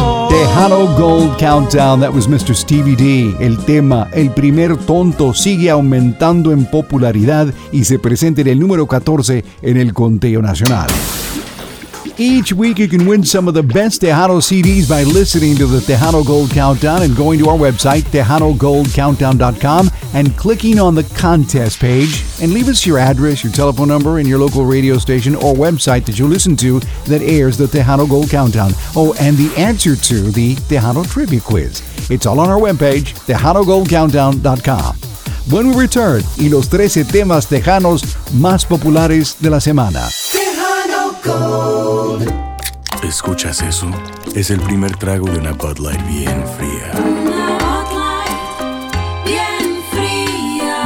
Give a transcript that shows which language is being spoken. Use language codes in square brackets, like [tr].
[en] Tejano Gold Countdown, that was Mr. Stevie D. [es] El tema El Primer Tonto sigue aumentando en popularidad y se presenta en el número 14 en el conteo nacional. [en] Each week you can win some of the best Tejano CDs by listening to the Tejano Gold Countdown and going to our website, TejanoGoldCountdown.com, and clicking on the contest page. And leave us your address, your telephone number, and your local radio station or website that you listen to that airs the Tejano Gold Countdown. Oh, and the answer to the Tejano Trivia Quiz. It's all on our webpage, TejanoGoldCountdown.com. When we return, [es] y los 13 temas tejanos más populares de la semana. Gold. ¿Escuchas eso? Es el primer trago de una Bud Light bien fría. Una Bud Light bien fría.